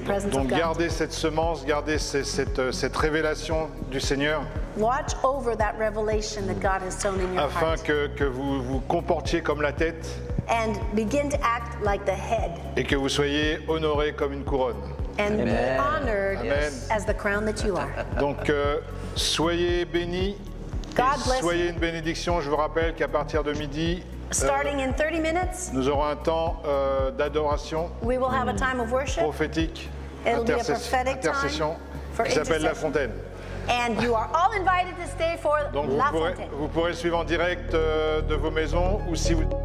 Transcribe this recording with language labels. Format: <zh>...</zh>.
<fr>Donc gardez cette semence, gardez cette révélation du Seigneur.</fr> <en>Watch over that revelation that God has sown in your heart.</en> <fr>Afin que vous vous comportiez comme la tête.</fr> <en>And begin to act like the head.</en> <fr>Et que vous soyez honoré comme une couronne.</fr> <en>And be honored as the crown that you are.</en> <fr>Donc soyez bénis.</fr> <en>God bless</en> <fr>you. Soyez une bénédiction. Je vous rappelle qu'à partir de midi,</fr> <en>starting in 30 minutes,</en> <fr>nous aurons un temps d'adoration.</fr> <en>We will have a time of worship.</en> <fr>Prophétique.</fr> <en>It'll be a prophetic time.</en> <fr>Intercession. Qui s'appelle La Fontaine.</fr> <en>And you are all invited to stay for La Fontaine.</en> <fr>Donc vous pourrez suivre en direct de vos maisons ou si vous.</fr>